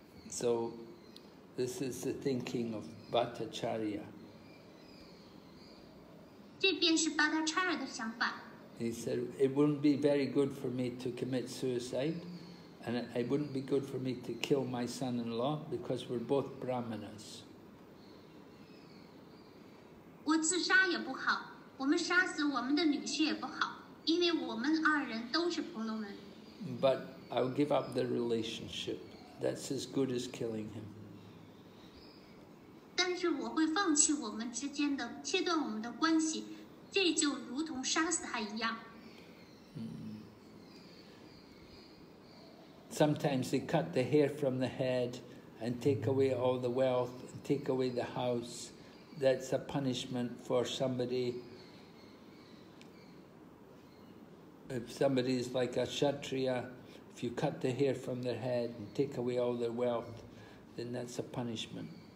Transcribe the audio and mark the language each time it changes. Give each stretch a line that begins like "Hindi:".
English: So, this is the thinking of Bhattacharya. He said, it wouldn't be very good for me to commit suicide, and it wouldn't be good for me to kill my son-in-law because we're both Brahmanas.
Chinese: 我自杀也不好，我们杀死我们的女婿也不好。因为我们二人都是婆罗门。
English: But I'll give up the relationship. That's as good as killing him.
Chinese: 但是我会放弃我们之间的，切断我们的关系，这就如同杀死他一样。
English: Sometimes they cut the hair from the head and take away all the wealth, and take away the house. That's a punishment for somebody. If somebody is like a Kshatriya, if you cut the hair from their head and take away all their wealth, then that's a punishment.